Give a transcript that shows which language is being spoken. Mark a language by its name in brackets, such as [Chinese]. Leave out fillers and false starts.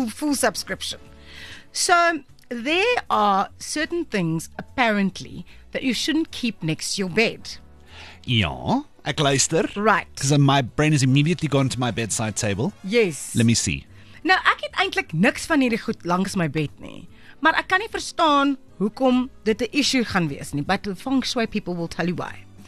[English] full subscription. So there are certain things, apparently, that you shouldn't keep next to your bed. Yeah, a cluster. Right. Because my brain has immediately gone to my bedside table. Yes. Let me see. [Afrikaans] Nou, ek het eintlik niks van hierdie goed langs my bed nie. Maar ek kan nie verstaan hoekom dit 'n issue gaan wees nie. [English] But the feng shui people will tell you why.